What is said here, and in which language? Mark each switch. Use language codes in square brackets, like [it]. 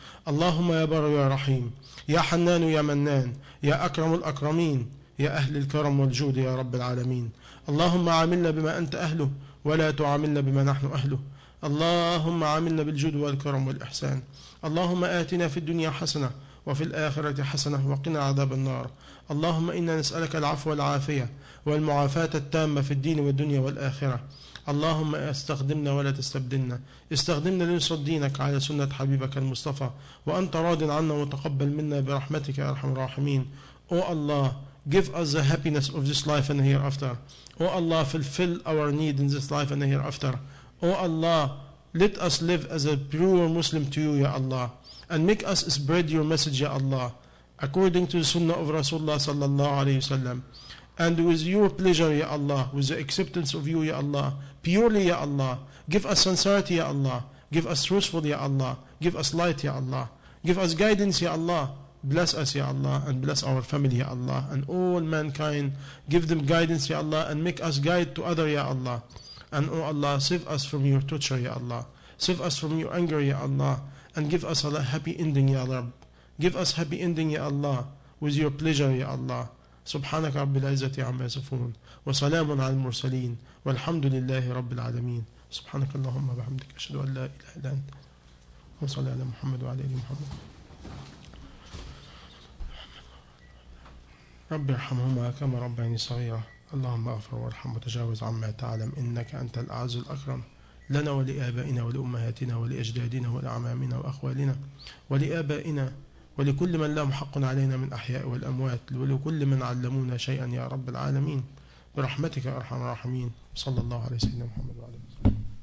[ar] اللهم يا بر يا رحيم يا حنان يا منان يا أكرم الأكرمين يا أهل الكرم والجود يا رب العالمين اللهم عاملنا بما أنت أهله ولا تعاملنا بما نحن أهله اللهم عاملنا بالجود والكرم والإحسان اللهم آتنا في الدنيا حسنة وفي الآخرة حسنة وقنا عذاب النار اللهم إنا نسألك العفو والعافية والمعافاة التامة في الدين والدنيا والآخرة اللهم استخدمنا ولا تستبدلنا، استخدمنا لنصر دينك على سنة حبيبك المصطفى، وأنت راض عنا وتقبل منا برحمتك يا أرحم الراحمين. [en] O Allah, give us the happiness of this life and hereafter. O Allah, fulfill our need in this life and hereafter. O Allah, let us live as a pure Muslim to you, Ya Allah, and make us spread your message, Ya Allah, according to the Sunnah of Rasulullah sallallahu alayhi wasallam. And with your pleasure, Ya Allah, with the acceptance of you, Ya Allah, purely, Ya Allah, give us sincerity, Ya Allah, give us truthful, Ya Allah, give us light, Ya Allah, give us guidance, Ya Allah, bless us, Ya Allah, and bless our family, Ya Allah, and all mankind, give them guidance, Ya Allah, and make us guide to other, Ya Allah, and O Allah, save us from your torture, Ya Allah, save us from your anger, Ya Allah, and give us a happy ending, Ya Rabb, give us happy ending, Ya Allah, with your pleasure, Ya Allah. [ar] سبحانك رب العزة عما يصفون وسلام على المرسلين والحمد لله رب العالمين سبحانك اللهم وبحمدك أشهد أن لا إله إلا أنت وصلى على محمد وعلى آل محمد رب ارحمهما كما ربياني صغيرة اللهم اغفر وارحم وتجاوز عما تعلم إنك أنت الأعز الأكرم لنا ولآبائنا ولأمهاتنا ولأجدادنا ولأعمامنا وأخوالنا ولآبائنا ولكل من لهم حق علينا من أحياء والأموات ولكل من علمونا شيئا يا رب العالمين برحمتك أرحم الراحمين صلى الله عليه وسلم محمد وعلى آله وصحبه